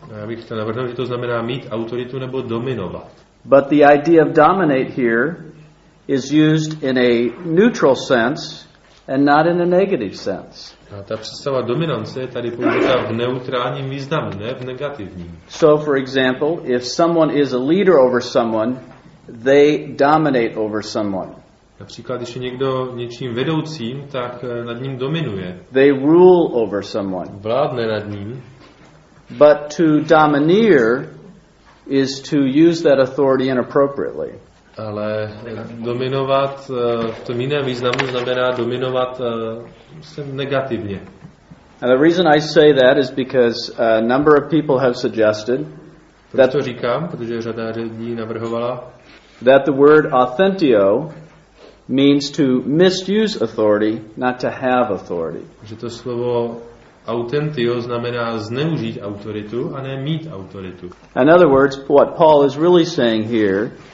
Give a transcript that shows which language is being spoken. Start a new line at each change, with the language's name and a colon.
Czech: Já bych chtěl navrhnout, že to znamená mít autoritu nebo dominovat.
English: But the idea of dominate here is used in a neutral sense and not in a negative sense.
Czech: A ta představa dominance je tady použita v neutrálním významu, ne v negativním.
English: So for example, if someone is a leader over someone, they dominate over someone.
Czech: Například, když je někdo něčím vedoucím, tak nad ním dominuje.
English: They rule over someone.
Czech: Vládne nad ním.
English: But to domineer is to use that authority inappropriately.
Czech: Ale dominovat v tom jiném významu znamená dominovat negativně.
English: And the reason I say that is because a number of people have suggested
Czech: that to říkám, protože řada lidí navrhovala
English: that the word authentio means to misuse authority, not to have authority.
Czech: Že to slovo authentio znamená zneužít autoritu, a ne mít autoritu.
English: In other words, what Paul is really saying here